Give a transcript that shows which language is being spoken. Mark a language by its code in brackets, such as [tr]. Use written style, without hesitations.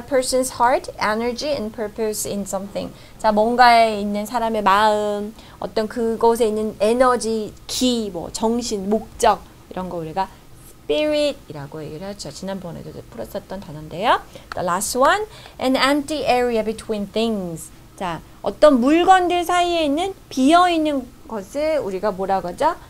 [en] A person's heart, energy, and purpose in something. [ko] 자, 뭔가에 있는 사람의 마음, 어떤 그곳에 있는 에너지, 기, 뭐 정신, 목적 이런 거 우리가 spirit이라고 얘기를 하죠. 지난번에도 풀었었던 단어인데요. [en] The last one, an empty area between things. [ko] 자, 어떤 물건들 사이에 있는 비어있는 것을 우리가 뭐라고 하죠?